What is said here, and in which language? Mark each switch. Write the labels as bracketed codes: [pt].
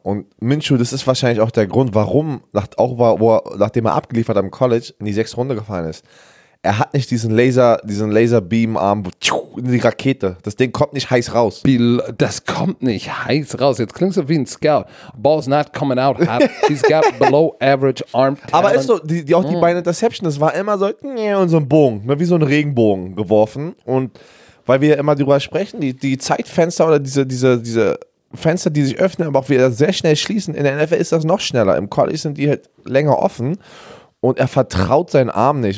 [de] Und Minshew, das ist wahrscheinlich auch der Grund, warum, nachdem er abgeliefert hat im College, in die 6. Runde gefallen ist. Er hat nicht diesen Laserbeam-Arm, in die Rakete. Das Ding kommt nicht heiß raus. Das kommt nicht heiß raus. Jetzt klingst du wie ein Scout. [en] Ball's not coming out hot. He's got below average arm talent. [de] Aber ist so, die beiden Interceptions, das war immer so, und so ein Bogen, wie so ein Regenbogen geworfen. Und weil wir immer darüber sprechen, die Zeitfenster oder diese Fenster, die sich öffnen, aber auch wieder sehr schnell schließen, in der NFL ist das noch schneller. Im College sind die halt länger offen. Und er vertraut seinen Arm nicht.